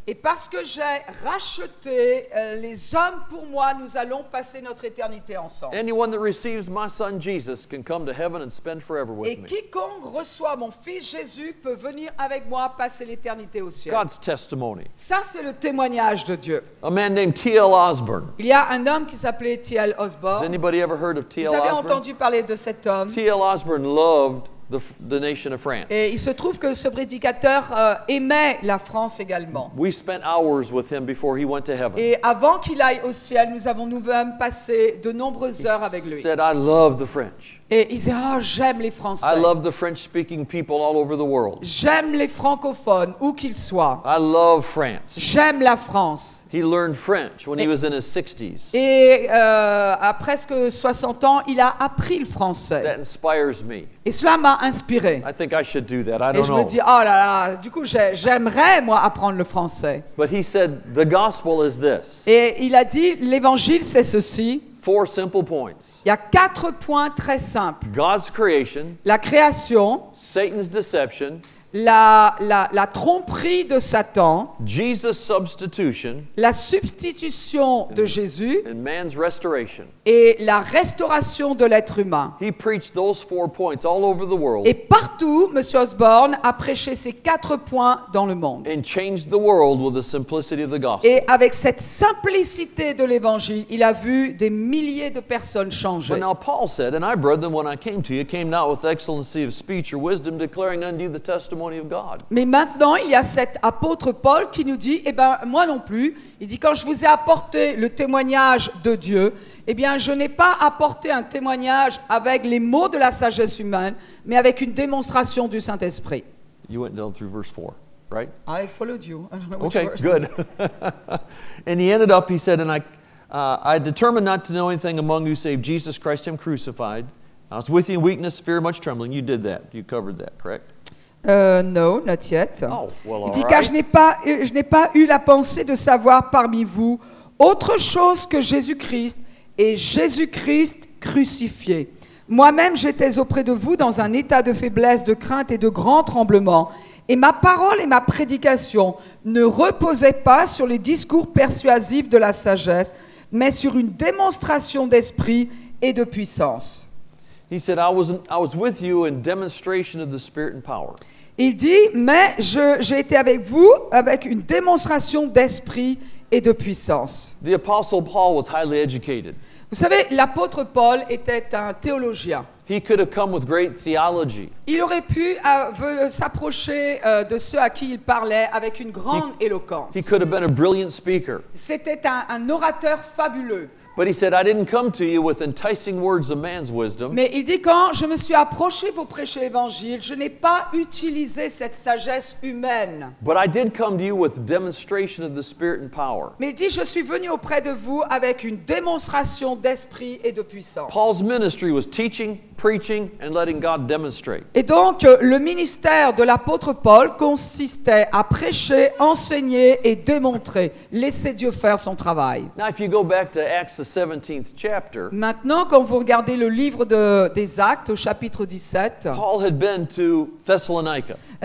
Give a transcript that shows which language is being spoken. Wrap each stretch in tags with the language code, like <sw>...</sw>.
<fr>Et parce que j'ai racheté les hommes pour moi, nous allons passer notre éternité ensemble.</fr> <en>Anyone that receives my son Jesus can come to heaven and spend forever with me.</en> <fr>Et quiconque reçoit mon fils Jésus peut venir avec moi passer l'éternité au ciel.</fr> <en>God's testimony.</en> <fr>Ça c'est le témoignage de Dieu.</fr> <en>A man named T.L. Osborne.</en> <fr>Il y a un homme qui s'appelait T.L. Osborne.</fr> <en>Has anybody ever heard of T.L. Osborne?</en> <fr>Vous avez entendu parler de cet homme?</fr> <en>T.L. Osborne loved the nation of France.</en> <fr>Et il se trouve que ce prédicateur aimait la France également.</fr> <en>We spent hours with him before he went to heaven.</en> <fr>Et avant qu'il aille au ciel, nous avons nous-mêmes passé de nombreuses heures avec lui.</fr> <en>He said, I love the French.</en> <fr>Et il disait, oh, j'aime les Français.</fr> <en>I love the French-speaking people all over the world.</en> <fr>J'aime les francophones, où qu'ils soient.</fr> <en>I love France.</en> <fr>J'aime la France.</fr> <en>He learned French when he was in his 60s.</en> <fr>Et à presque 60 ans, il a appris le français.</fr> <en>That inspires me.</en> <fr>Et cela m'a inspiré.</fr> <en>I think I should do that. I don't know.</en> <fr>Et je me dis, oh là là, du coup, j'aimerais moi apprendre le français.</fr> <en>But he said, the gospel is this.</en> <fr>Et il a dit, l'évangile c'est ceci.</fr> <en>Four simple points.</en> <fr>Il y a quatre points très simples.</fr> <en>God's creation.</en> <fr>La création.</fr> <en>Satan's deception.</en> <fr>La tromperie de Satan,</fr> <en>Jesus substitution,</en> <fr>la substitution de Jésus,</fr> <en>and man's restoration.</en> <fr>Et la restauration de l'être humain.</fr> <en>He preached those four points all over the world.</en> <fr>Et partout, M. Osborne a prêché ces quatre points dans le monde.</fr> <en>And changed the world with the simplicity of the gospel.</en> <fr>Et avec cette simplicité de l'évangile, il a vu des milliers de personnes changer.</fr> <en>But now Paul said, and I, brethren, when I came to you, came not with excellency of speech or wisdom, declaring unto you the testimony of God.</en> <fr>Mais maintenant, il y a cet apôtre Paul qui nous dit, eh ben, moi non plus. Il dit, quand je vous ai apporté le témoignage de Dieu, eh bien, je n'ai pas apporté un témoignage avec les mots de la sagesse humaine, mais avec une démonstration du Saint-Esprit.</fr> <en>You went down through verse 4, right? I followed you. I don't know which okay, verse. Good. And he ended up, he said, and I determined not to know anything among you save Jesus Christ, him crucified. I was with you in weakness, fear, much trembling. You did that. You covered that, correct? No, not yet. Oh, well,</en> <fr>il dit,</fr> <en>right.</en> <fr>Car je n'ai pas eu la pensée de savoir parmi vous autre chose que Jésus-Christ et Jésus-Christ crucifié. Moi-même, j'étais auprès de vous dans un état de faiblesse, de crainte et de grand tremblement. Et ma parole et ma prédication ne reposaient pas sur les discours persuasifs de la sagesse, mais sur une démonstration d'esprit et de puissance.</fr> <en>He said, I was with you in demonstration of the Spirit and power.</en> <fr>Il dit, mais j'ai été avec vous avec une démonstration d'esprit et de puissance.</fr> <en>The Apostle Paul was highly educated.</en> <fr>Vous savez, l'apôtre Paul était un théologien.</fr> <en>He could have come with great theology.</en> <fr>Il aurait pu s'approcher de ceux à qui il parlait avec une grande éloquence.</fr> <en>He could have been a brilliant speaker.</en> <fr>C'était un orateur fabuleux.</fr> <en>But he said, I didn't come to you with enticing words of man's wisdom.</en> <fr>Mais il dit, quand je me suis approché pour prêcher l'évangile, je n'ai pas utilisé cette sagesse humaine.</fr> <en>But I did come to you with demonstration of the Spirit and power.</en> <fr>Mais il dit, je suis venu auprès de vous avec une démonstration d'esprit et de puissance.</fr> <en>Paul's ministry was teaching, preaching, and letting God demonstrate.</en> <fr>Et donc, le ministère de l'apôtre Paul consistait à prêcher, enseigner et démontrer, laisser Dieu faire son travail.</fr> <en>Now, if you go back to Acts, the 17th chapter.</en> <fr>Maintenant, quand vous regardez le livre des Actes, au chapitre 17,</fr> <en>Paul had been to Thessalonica.</en>